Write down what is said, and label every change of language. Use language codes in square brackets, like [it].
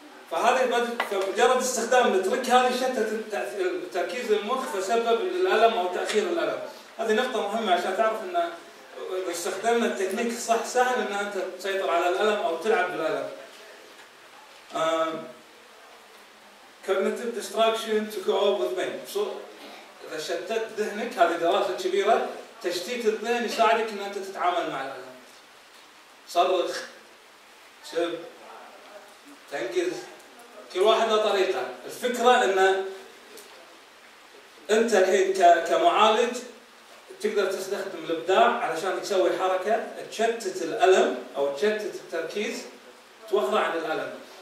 [ar] فهذه مجرد استخدام الترك هذه شتت تركيز المخ فسبب الالم او تاخير الالم. هذه نقطة مهمة عشان تعرف ان اذا استخدمنا التكنيك صح سهل ان انت تسيطر على الالم او تلعب بالالم. [en] Cognitive distraction to cope with pain. [ar] اذا شتت ذهنك، هذه دراسة كبيرة، تشتيت الذهن يساعدك ان انت تتعامل مع الالم. صرخ، سب، تنقز، كل واحد له طريقة. الفكرة ان انت الحين كمعالج تقدر تستخدم الابداع علشان تسوي حركة تشتت الالم او تشتت التركيز توخره عن الالم.